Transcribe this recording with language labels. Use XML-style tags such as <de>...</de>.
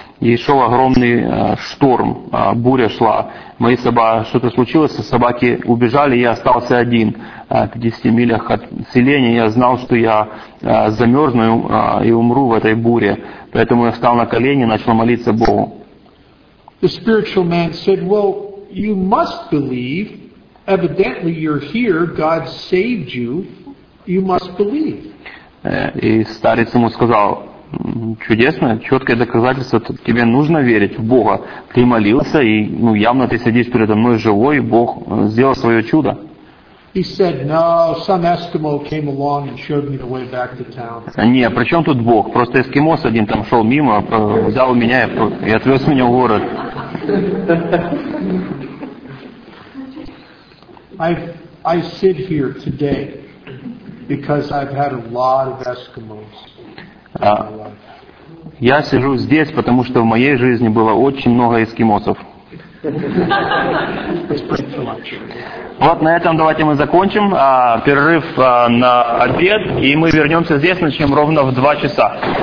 <ru>И шел огромный шторм, буря шла. Мои собаки, что-то случилось, собаки убежали, я остался один в 50 милях от селения. Я знал, что я замерзну и умру в этой буре. Поэтому я встал на колени и начал молиться Богу.</ru> <en>The spiritual man said, well, you must believe. Evidently, you're here. God saved you. You must believe.</en> <ru>И старец ему сказал, чудесно, четкое доказательство, тебе нужно верить в Бога. Ты молился, и ну, явно ты сидишь передо мной живой, и Бог сделал свое чудо.</ru> <en>He said, no, some Eskimo came along and showed me the way back to town.</en> <ru>Не, при чем тут Бог? Просто эскимос один там шел мимо, взял меня и отвез меня в город.</ru> <en>I sit here today because I've had a lot of Eskimos.</en> <ru>Я сижу здесь, потому что в моей жизни было очень много эскимосов. Вот на этом давайте мы закончим перерыв на обед, и мы вернемся здесь, начнем ровно в 2 часа.</ru>